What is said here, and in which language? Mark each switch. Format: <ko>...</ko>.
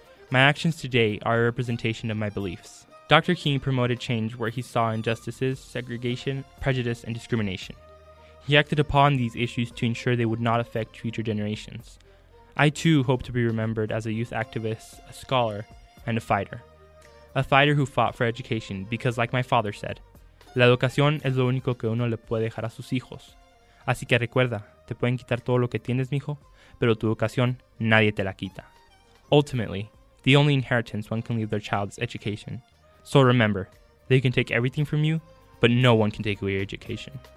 <en>My actions today are a representation of my beliefs. Dr. King promoted change where he saw injustices, segregation, prejudice, and discrimination. He acted upon these issues to ensure they would not affect future generations. I too hope to be remembered as a youth activist, a scholar, and a fighter. A fighter who fought for education because, like my father said,</en> <es>la educación es lo único que uno le puede dejar a sus hijos. Así que recuerda, te pueden quitar todo lo que tienes, mijo, pero tu educación nadie te la quita.</es> <en>Ultimately, the only inheritance one can leave their child is education. So remember, they can take everything from you, but no one can take away your education.</en>